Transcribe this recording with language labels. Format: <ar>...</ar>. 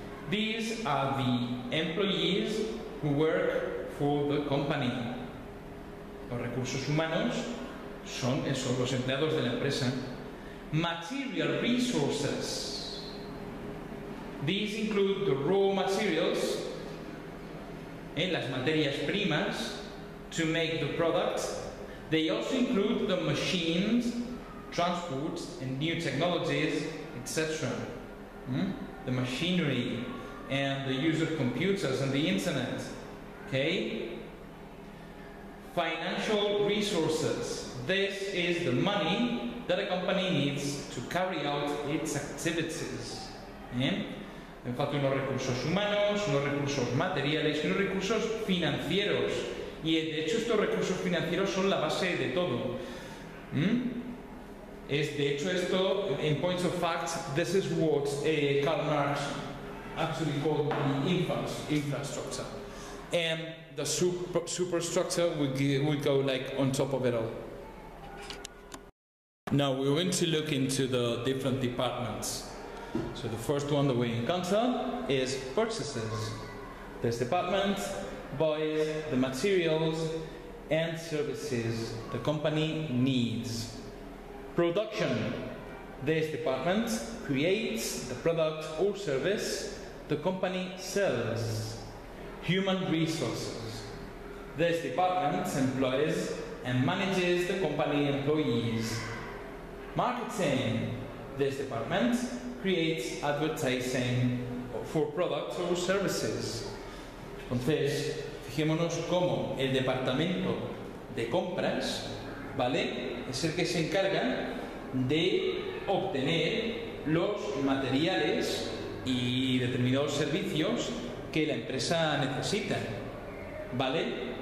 <en>These are the employees who work for the company.</en> <es>Los recursos humanos son los empleados de la empresa.</es> <en>material resources. These include the raw materials,</en> <es>en las materias primas,</es> <en>to make the product. They also include the machines, transport, and new technologies, etc. The machinery, and the use of computers and the internet. Okay? Financial resources. This is the money that a company needs to carry out its activities.</en> <es>En facto, unos recursos humanos, unos recursos materiales y unos recursos financieros. Y de hecho, estos recursos financieros son la base de todo. Es, de hecho, esto,</es> <en>en points of fact, this is what Karl Marx actually called the infrastructure. And the superstructure would go like on top of it all. Now we're going to look into the different departments. So the first one that we encounter is purchases. This department buys the materials and services the company needs. Production. This department creates the product or service the company sells. Human resources. This department employs and manages the company employees. Marketing. This department creates advertising for products or services.</en> <es>Entonces, fijémonos cómo el departamento de compras, ¿vale?, es el que se encarga de obtener los materiales y determinados servicios que la empresa necesita, ¿vale?</es>